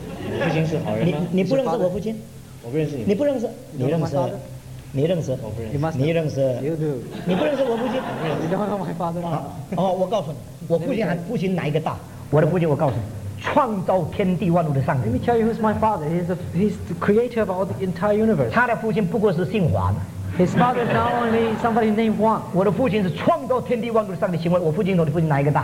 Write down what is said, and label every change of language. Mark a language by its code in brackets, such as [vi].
[zh] 你父亲是好人吗？你不认识我父亲？我不认识你，你不认识，你认识？你认识，你认识，你不认识我父亲。你认识我父亲。哦，我告诉你，我父亲哪一个大？我的父亲，我告诉你，创造天地万物的上帝。 [en] Let me tell you who's my father. He's the creator of all the entire universe. [zh] 他的父亲不过是姓华的。 [en] His father is not only somebody named Huang. [zh] 我的父亲是创造天地万物的上帝。请问我父亲，我的父亲哪一个大